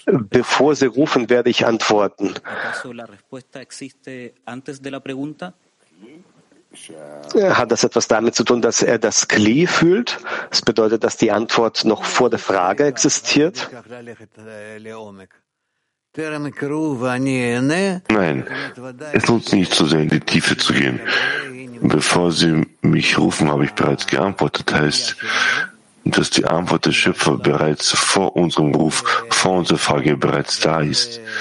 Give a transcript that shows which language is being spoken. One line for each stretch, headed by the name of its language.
German: Bevor sie rufen, werde ich antworten.
Spanish: ¿Acaso la respuesta existe antes de la pregunta?
German: Hat das etwas damit zu tun, dass er das Kli fühlt? Das bedeutet, dass die Antwort noch vor der Frage existiert? Nein, es nutzt nicht so sehr, in die Tiefe zu gehen. Bevor Sie mich rufen, habe ich bereits geantwortet. Heißt, dass die Antwort des Schöpfers bereits vor unserem Ruf, vor unserer Frage bereits da ist.